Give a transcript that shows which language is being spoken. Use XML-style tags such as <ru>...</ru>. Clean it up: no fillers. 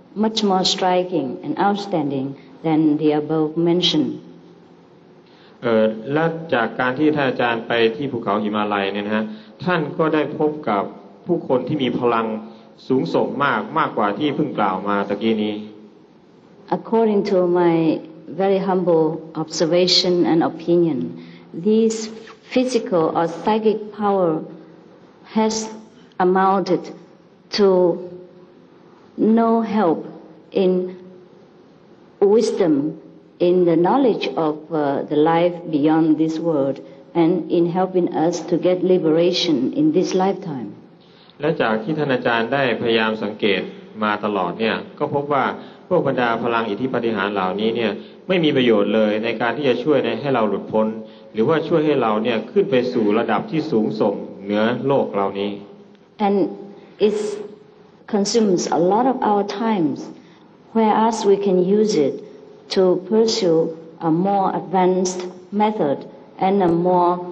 <en>Much more striking and outstanding than the above mentioned.</en> <th>และจากการที่ท่านอาจารย์ไปที่ภูเขาหิมาลัยเนี่ยนะฮะท่านก็ได้พบกับผู้คนที่มีพลังสูงส่งมากกว่าที่เพิ่งกล่าวมาตะกี้นี้</th> <en>According to my very humble observation and opinion, these physical or psychic power has amounted to. No help in wisdom, in the knowledge of the life beyond this world, and in helping us to get liberation in this lifetime.</en> <th>และจากที่ท่านอาจารย์ได้พยายามสังเกตมาตลอดเนี่ยก็พบว่าพวกบรรดาพลังอิทธิปฏิหารเหล่านี้เนี่ยไม่มีประโยชน์เลยในการที่จะช่วยให้เราหลุดพ้นหรือว่าช่วยให้เราเนี่ยขึ้นไปสู่ระดับที่สูงส่งเหนือโลกเหล่านี้</th> <en>And it'sconsumes a lot of our times whereas we can use it to pursue a more advanced method and a more</en>